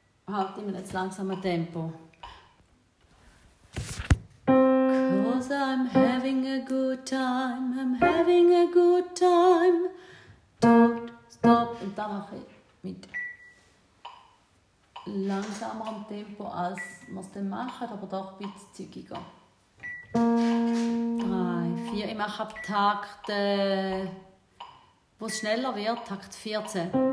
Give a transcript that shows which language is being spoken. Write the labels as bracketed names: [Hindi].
[German] Halt immer jetzt langsamer Tempo. [English] Cause I'm having a good time. I'm having a good time. Don't stop. [German] Und da mache ich mit langsamerem Tempo, als man es dann macht, aber doch ein bisschen zügiger. 3, 4, ich mache ab Takt, wo es schneller wird, Takt 14.